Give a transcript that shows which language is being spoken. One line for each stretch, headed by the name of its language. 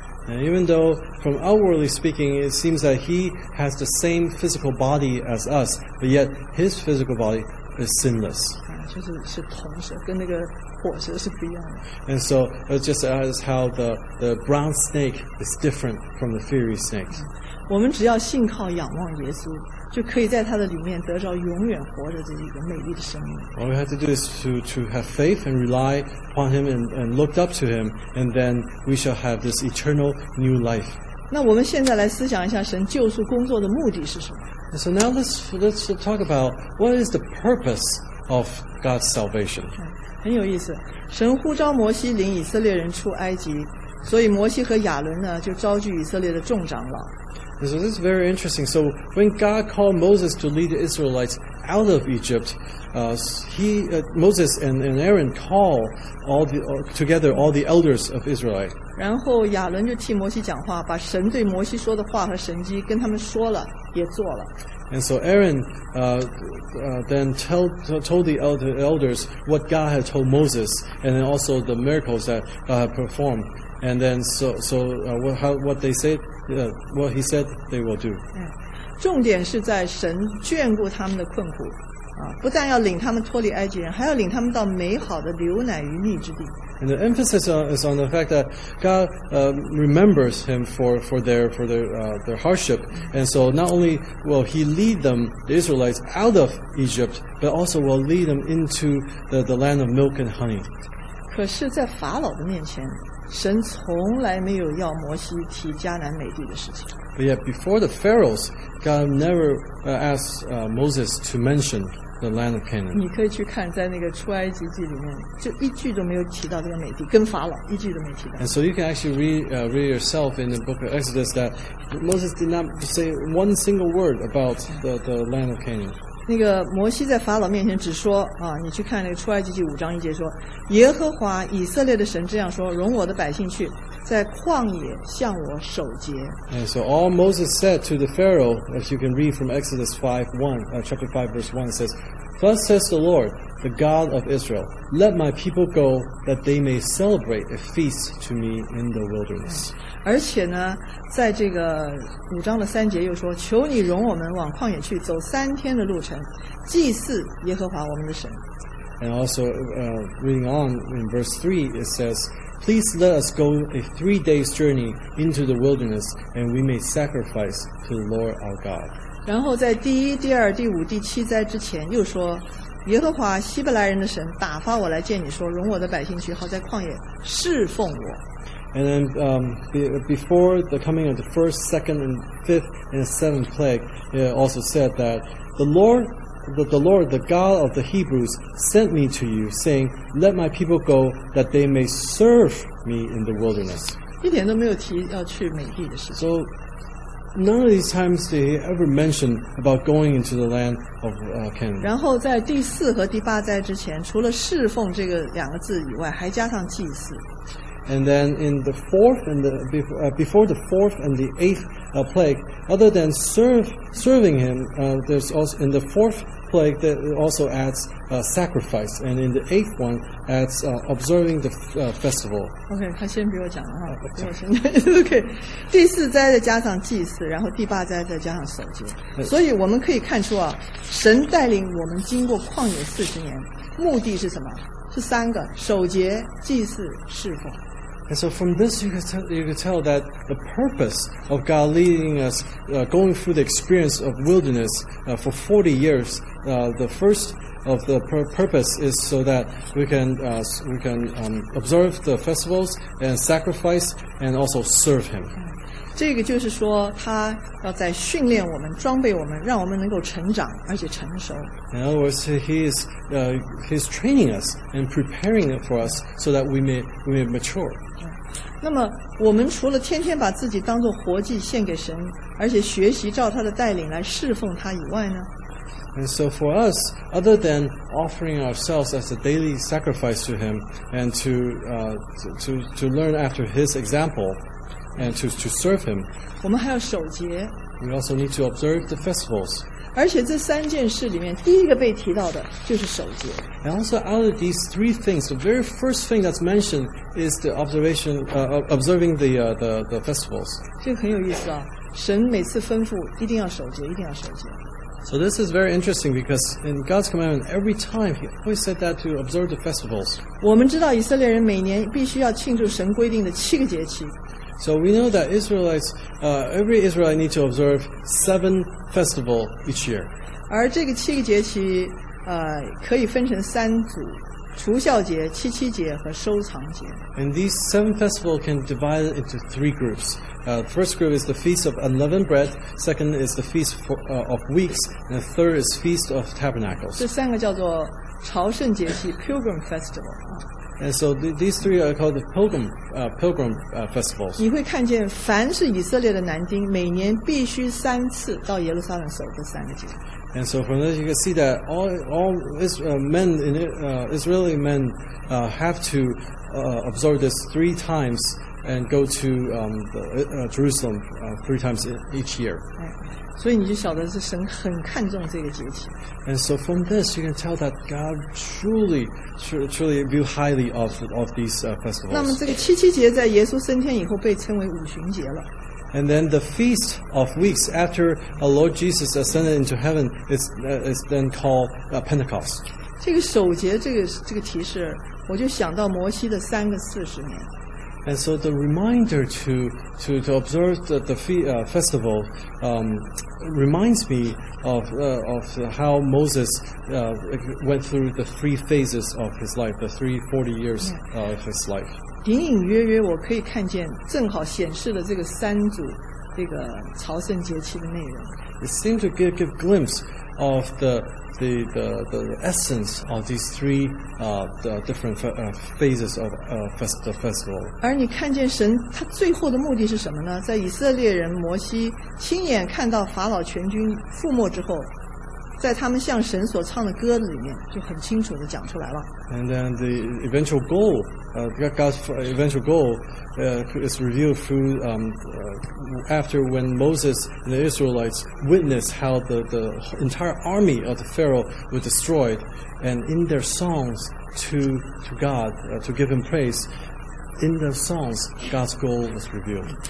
English: And even though, from outwardly speaking, it seems that he has the same physical body as us, but yet his physical body is sinless.
Chinese: 就是是铜蛇，跟那个火蛇是不一样的。
English: And so, just as how the brown snake is different from the fiery snake.
Chinese: 我们只要信靠仰望耶稣，就可以在他的里面得着永远活着的这个美丽的生命。
English: All we have to do is to have faith and rely upon him and look up to him, and then we shall have this eternal new life.
Chinese: 那我们现在来思想一下神救赎工作的目的是什么。
English: So now let's talk about what is the purpose of God's salvation.
Chinese: 很有意思，神呼召摩西领以色列人出埃及，所以摩西和亚伦呢就召聚以色列的众长老。
English: And so this is very interesting. So when God called Moses to lead the Israelites out of Egypt, Moses and Aaron call together all the elders of Israel.
Chinese: 然后亚伦就替摩西讲话，把神对摩西说的话和神迹跟他们说了，也做了。
English: And so Aaron then told the elders what God had told Moses, and then also the miracles that God had performed. And then what he said they will do.
Chinese: 重点是在神眷顾他们的困苦，不但要领他们脱离埃及人，还要领他们到美好的牛奶与蜜之地。
English: And the emphasis is on the fact that God remembers him for their hardship. And so not only will he lead them, the Israelites, out of Egypt, but also will lead them into the land of milk and honey.
Chinese: 可是在法老的面前，神从来没有要摩西提迦南美地的事情。
English: But yet before the Pharaohs, God never asked Moses to mention the land of Canaan.
Chinese: 你可以去看在那个出埃及记里面，就一句都没有提到这个美地，跟法老一句都没提到。
English: And so you can actually read yourself in the book of Exodus that Moses did not say one single word about the land of Canaan.
Chinese: 那个摩西在法老面前只说你去看那个出埃及记五章一节说，耶和华以色列的神这样说，容我的百姓去，在旷野向我守节。
English: And so all Moses said to the Pharaoh, as you can read from Exodus 5:1, chapter 5 verse 1, says, Thus says the Lord, the God of Israel, Let my people go, that they may celebrate a feast to me in the wilderness.
Chinese: 而且呢，在这个五章的三节又说，求你容我们往旷野去，走三天的路程，祭祀耶和华我们的神。
English: And also reading on in verse 3, it says,Please let us go a 3 days journey into the wilderness, and we may sacrifice to the Lord our God.
Chinese: 然后在第一、第二、第五、第七灾之前又说，耶和华希伯来人的神打发我来见你说，容我的百姓去，好在旷野侍奉我。
English: And then before the coming of the first, second, and fifth, and seventh plague, it also said that the Lord, the God of the Hebrews, sent me to you, saying, Let my people go, that they may serve me in the wilderness.
Chinese: 一点都没有提要去美地的事情。
English: So, none of these times did he ever mention about going into the land of Canaan.
Chinese: 然后在第四和第八灾之前，除了侍奉这个两个字以外，还加上祭祀。
English: And then in the fourth and before the fourth and the eighth plague, other than serving him, there's also in the fourth plague that also adds sacrifice, and in the eighth one adds observing the festival.
Chinese: Okay, 他先比我讲了哈，比我先。Okay, 第四灾再加上祭祀，然后第八灾再加上守节，所以我们可以看出啊，神带领我们经过旷野四十年，目的是什么？是三个：守节、祭祀、侍奉。
English: And so from this you can tell that the purpose of God leading us going through the experience of wilderness for 40 years, the first of the purpose is so that we can observe the festivals and sacrifice and also serve Him.
Chinese: 这个就是说他要在训练我们，装备我们，让我们能够成长而且成熟。
English: In other words, he is training us and preparing it for us so that we may mature.
Chinese: 那么我们除了天天把自己当作活祭献给神，而且学习照他的带领来侍奉他以外呢？
English: And so for us, other than offering ourselves as a daily sacrifice to Him and to learn after His example and to serve Him, we also need to observe the festivals.
Chinese: 而且这三件事里面，第一个被提到的就是守节。
English: And also out of these three things, the very first thing that's mentioned is the observation, observing the festivals.
Chinese: 这个很有意思啊，神每次吩咐一定要守节，一定要守节。
English: So this is very interesting because in God's commandment, every time He always said that to observe the festivals.
Chinese: 我们知道以色列人每年必须要庆祝神规定的七个节期。
English: So we know that Israelites, every Israelite needs to observe seven festivals each year.
Chinese: 而这个七个节期，可以分成三组：除酵节、七七节和收藏节。
English: And these seven festivals can divide into three groups. First group is the Feast of Unleavened Bread. Second is the Feast of Weeks. And the third is Feast of Tabernacles.
Chinese: 这三个叫做朝圣节期 Pilgrim Festival.
English: And so these three are called the pilgrim festivals.
Chinese: 你会看见，凡是以色列的男丁，每年必须三次到耶路撒冷守这三个节。
English: And so from this you can see that all men in Israeli men have to observe this three times and go to Jerusalem three times each year.
Chinese: 所以你就晓得是神很看重这个节期。
English: And so from this you can tell that God truly view highly of these festivals.
Chinese: 那么这个七七节在耶稣升天以后被称为五旬节了。
English: And then the Feast of Weeks after our Lord Jesus ascended into heaven is then called Pentecost.
Chinese: 这个守节这个提示，我就想到摩西的三个四十年。
English: And so the reminder to observe the festival reminds me of how Moses went through the three phases of his life, the 340 years of his life.
Chinese: 隐隐约约我可以看见正好显示了这个三组这个朝圣节期的内容。
English: It seemed to give glimpse of the essence of these three different phases of the festival.
Chinese: 而你看见神他最后的目的是什么呢？在以色列人摩西亲眼看到法老全军覆没之后，在他们向神所唱的歌里面就很清楚地讲出来了。
English: And then the eventual goal, God's eventual goal, is revealed through after when Moses and the Israelites witnessed how the entire army of the Pharaoh was destroyed, and in their songs to God to give Him praise, in the songs God's goal was revealed.